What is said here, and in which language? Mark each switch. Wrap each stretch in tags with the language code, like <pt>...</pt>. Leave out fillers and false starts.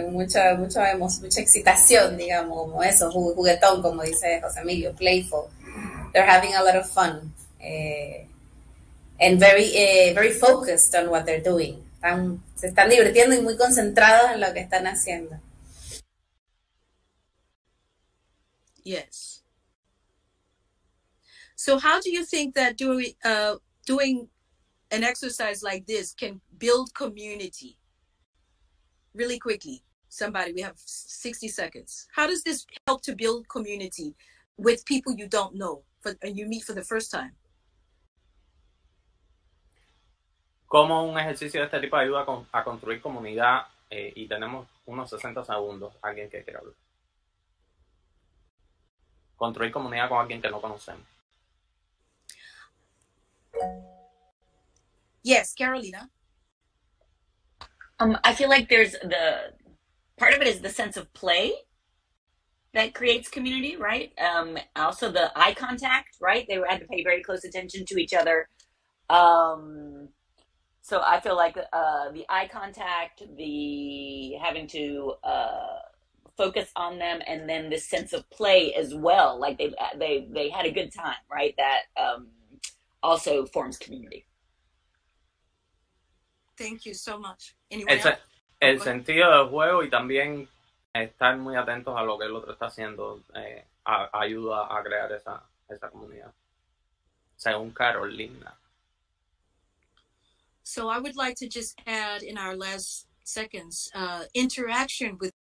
<es>Mucha excitación, digamos, como eso, juguetón, como dice José Emilio, playful.</es> <en>They're having a lot of fun. And very, very focused on what they're doing.</en> <es>se están divirtiendo y muy concentrados en lo que están haciendo.</es> <en>Yes. So how do you think that doing an exercise like this can build community? Really quickly, somebody, we have 60 seconds. How does this help to build community with people you don't know and you meet for the first time?</en> <es>¿Cómo un ejercicio de este tipo ayuda a construir comunidad? Y tenemos unos 60 segundos. Alguien que quiera hablar. Construir comunidad con alguien que no conocemos.</es> <en>Yes, Carolina. I feel like there's the part of it is the sense of play that creates community, right? Also the eye contact, right? They had to pay very close attention to each other. So I feel like the eye contact, the having to focus on them, and then this sense of play as well, like they had a good time, right? That also forms community. Thank you so much.</en> <es>El sentido del juego y también estar muy atentos a lo que el otro está haciendo ayuda a crear esa comunidad. Según Carolina.</es> <en>So I would like to just add in our last seconds, interaction with</en>